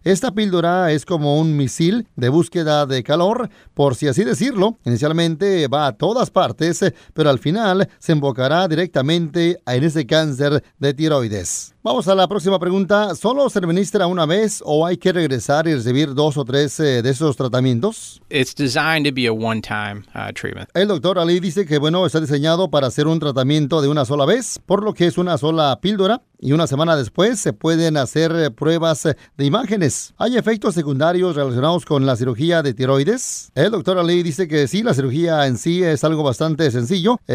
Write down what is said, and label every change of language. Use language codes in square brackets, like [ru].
[es] Esta píldora es como un misil de búsqueda de calor, por si así decirlo, inicialmente va a todas partes, pero al final se embocará directamente en ese cáncer de tiroides. Vamos a la próxima pregunta. ¿Solo se administra una vez o hay que regresar y recibir dos o tres de esos tratamientos? [en] It's designed to be a one-time treatment. [es] El doctor Ali dice que, bueno, está diseñado para hacer un tratamiento de una sola vez, por lo que es una sola píldora y una semana después se pueden hacer pruebas de imágenes. ¿Hay efectos secundarios relacionados con la cirugía de tiroides? El doctor Ali dice que sí, la cirugía en sí es algo bastante sencillo.